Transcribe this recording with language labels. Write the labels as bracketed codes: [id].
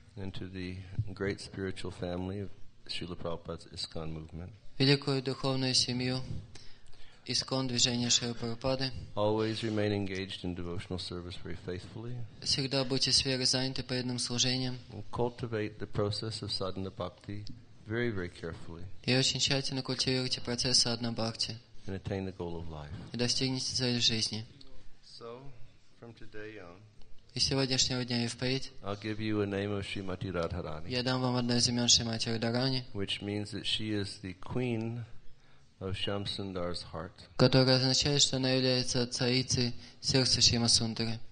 [en] And to the great spiritual family of Srila Prabhupada's ISKCON movement. [ru] Великую духовную семью. ИСКОН движения Шрилы Прабхупады. [en] Always remain engaged in devotional service very faithfully. [ru] Всегда будьте сверхзаняты преданным служением. [en] Cultivate the process of sadhana bhakti very, very carefully. [ru] И очень тщательно культивируйте процесс садхана бхакти. [en] And attain the goal of life. [ru] И достигните цели жизни. [en] So, from today on, [ru] и сегодняшнего дня и впредь, [en] I'll give you a name of Shrimati Radharani. [ru] Я дам вам одно из имен Шримати Радхарани. [en] Which means that she is the queen of Shamsundar's heart. [ru] Которая означает, что она является царицей сердца Шримасундары.